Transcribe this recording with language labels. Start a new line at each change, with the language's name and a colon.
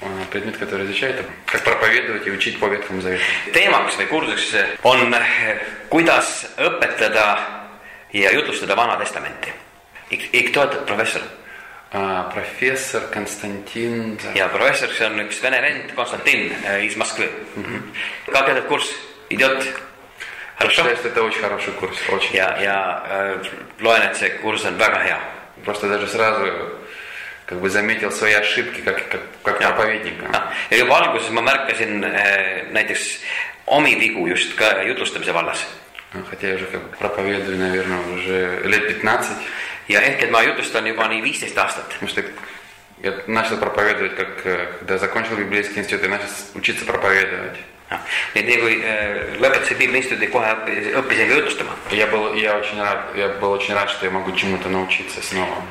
Russian: Предмет, который изучает, как проповедовать и учить по Ветхому Завету.
Estonian: Teemaks või kursus on, kuidas õpetada ja jutustada Vana Testamenti.
Russian: И кто этот профессор? Профессор Константин.
Estonian: Ja профессор, see on üks vene vend,
Russian: Константин из Москвы. Как этот курс идет? Хорошо? Я считаю, это очень хороший курс. Очень.
Estonian: Я loen, et see курс on väga hea.
Russian: Просто даже сразу как бы заметил свои ошибки как проповедник.
Estonian: Ja juba alguses ma märkasin näiteks omi vigu just ka jutlustamise vallas.
Russian: Хотя я уже как проповедую, наверное, уже лет 15.
Estonian: Ja ehk, et ma jutlustan juba nii 15 aastat.
Russian: Я начал проповедовать, как когда закончил библейский институт, и начал учиться проповедовать.
Estonian: Nii et nii kui lõpetasin библиинституудi, kohe õppisin ka jutustama.
Russian: Я был очень рад, что я могу чему-то научиться снова.